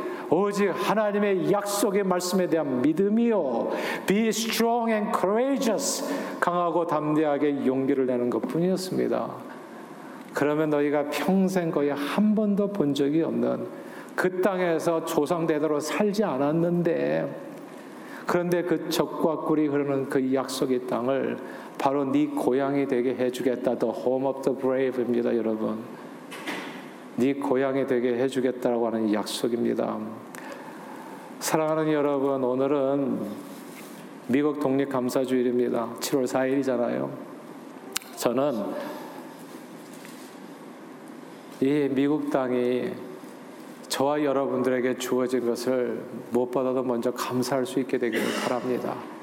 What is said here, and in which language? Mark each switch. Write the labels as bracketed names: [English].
[Korean] 오직 하나님의 약속의 말씀에 대한 믿음이요, [English] Be strong and courageous, [Korean] 강하고 담대하게 용기를 내는 것뿐이었습니다. 그러면 너희가 평생 거의 한 번도 본 적이 없는 그 땅에서 조상대대로 살지 않았는데, 그런데 그 적과 꿀이 흐르는 그 약속의 땅을 바로 네 고향이 되게 해주겠다. [English] The home of the brave [Korean] 입니다, 여러분. 네 고향이 되게 해주겠다라고 하는 약속입니다. 사랑하는 여러분, 오늘은 미국 독립감사주일입니다. 7월 4일이잖아요. 저는 이 미국 땅이 저와 여러분들에게 주어진 것을 무엇보다도 먼저 감사할 수 있게 되기를 바랍니다.